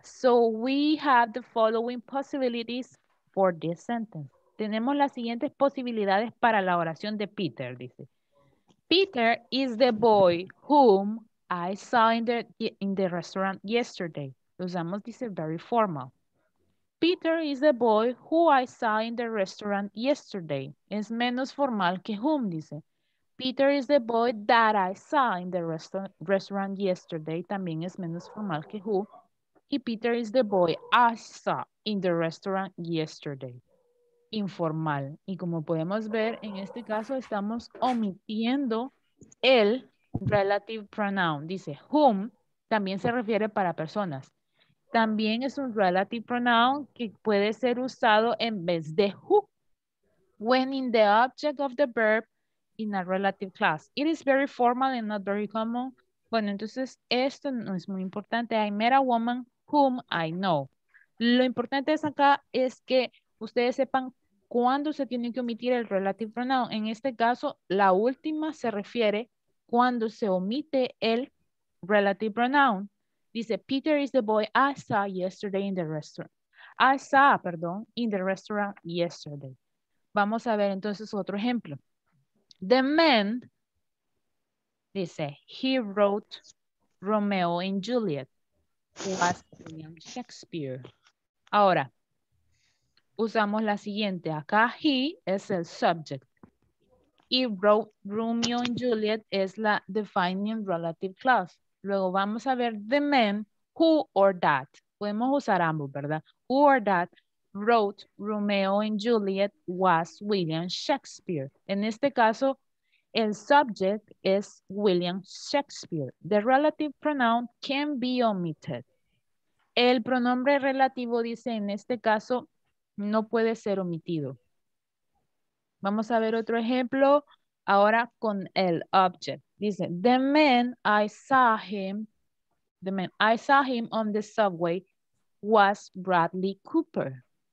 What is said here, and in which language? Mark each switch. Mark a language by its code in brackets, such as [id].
[en] So we have the following possibilities for this sentence. [es] Tenemos las siguientes posibilidades para la oración de Peter, dice. [en] Peter is the boy whom I saw in the restaurant yesterday. [es] Usamos, dice, [en] very formal. Peter is the boy who I saw in the restaurant yesterday. [es] Es menos formal que whom, dice. [en] Peter is the boy that I saw in the restaurant yesterday. [es] También es menos formal que who. [en] Y Peter is the boy I saw in the restaurant yesterday. [es] Informal. Y como podemos ver, en este caso estamos omitiendo el relative pronoun. Dice whom, también se refiere para personas. También es un relative pronoun que puede ser usado en vez de who. [en] When in the object of the verb, in a relative clause. It is very formal and not very common. [es] Bueno, entonces esto no es muy importante. [en] I met a woman whom I know. [es] Lo importante es acá es que ustedes sepan cuándo se tiene que omitir el relative pronoun. En este caso, la última se refiere cuando se omite el relative pronoun. [en] Dice, Peter is the boy I saw yesterday in the restaurant. I saw, perdón, in the restaurant yesterday. [es] Vamos a ver entonces otro ejemplo. The man, dice, [en] he wrote Romeo and Juliet, was William Shakespeare. [es] Ahora, usamos la siguiente. Acá he es el subject. [en] He wrote Romeo and Juliet [es] es la defining relative clause. Luego vamos a ver [en] the man, who or that. [es] Podemos usar ambos, ¿verdad? [en] Who or that wrote Romeo and Juliet was William Shakespeare. [es] En este caso, el subject [en] is William Shakespeare. The relative pronoun can be omitted. [es] El pronombre relativo dice, en este caso, no puede ser omitido. Vamos a ver otro ejemplo ahora con el object. Dice, [en] the man I saw him on the subway was Bradley Cooper.